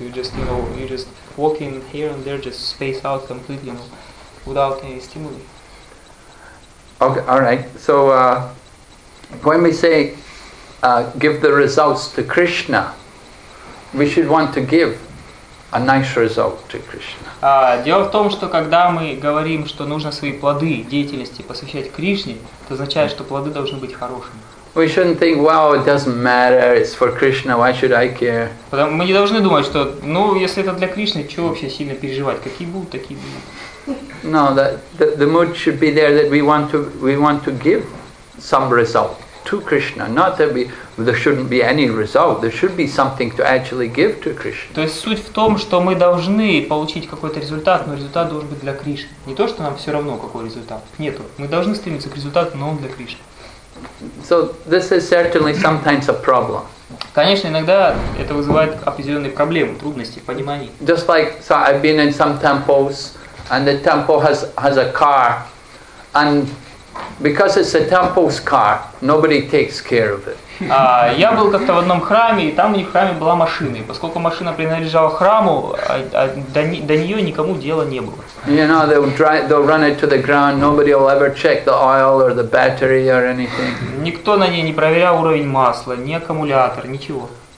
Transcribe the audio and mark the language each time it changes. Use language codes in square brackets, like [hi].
[en] You just, you know, you just walk in here and there, just space out completely, you know, without any stimuli. Okay, all right. So when we say give the results to Krishna, we should want to give a nice result to Krishna. [ru] Дело в том, что когда мы говорим, что нужно свои плоды деятельности посвящать Кришне, это означает, что плоды должны быть хорошими. [en] We shouldn't think, well, it doesn't matter, it's for Krishna, why should I care? [ru] Потому мы не должны думать, что, ну, если это для Кришны, чего вообще сильно переживать, какие будут, такие будут. [en] No, the mood should be there that we want to give some result to Krishna, not that there shouldn't be any result. There should be something to actually give to Krishna. [ru] То есть суть в том, что мы должны получить какой-то результат, но результат должен быть для Кришны. Не то, что нам все равно какой результат. Нету. Мы должны стремиться к результату, но он для Кришны. [en] So this is certainly sometimes a problem. [ru] Конечно, иногда это вызывает определенные проблемы, трудности в понимании. [en] Just like so, I've been in some temples, and the temple has a car, and because it's a temple's car, nobody takes care of it. [ru] Я был как-то в одном храме, и там у них в храме была машина. И поскольку машина принадлежала храму, до нее никому дела не было. [en] You know, they'll run it to the ground, nobody will ever check the oil or the battery or anything. [ru] Никто на ней не проверял уровень масла, ни аккумулятор, ничего.